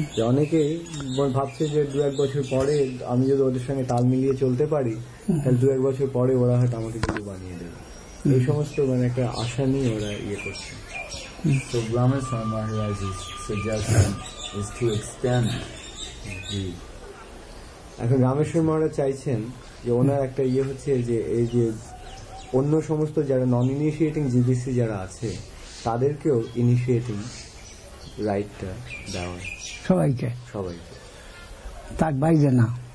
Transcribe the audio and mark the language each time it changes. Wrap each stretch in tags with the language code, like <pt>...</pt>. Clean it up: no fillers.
<bn>অনেকে ভাবছে যে দু এক বছর পরে আমি যদি ওদের সঙ্গে তাল মিলিয়ে চলতে পারি তাহলে দু এক বছর পরে ওরা হয়তো আমাকে গুরু বানিয়ে দেবে, এই সমস্ত মানে একটা আশা নিয়ে ওরা ইয়ে করছে।</bn> <en>So Brahmaswami Maharaj's suggestion is to extend the...</en> <bn>এখন রামেশ্বর মহারাজ চাইছেন যে ওনার একটা ইয়ে হচ্ছে যে এই যে অন্য সমস্ত যারা নন ইনিশিয়েটিং জিবিসি যারা আছে তাদেরকেও ইনিশিয়েটিং রাইটটা দেওয়া, সবাইকে সবাইকে তার বাইরে না,</bn>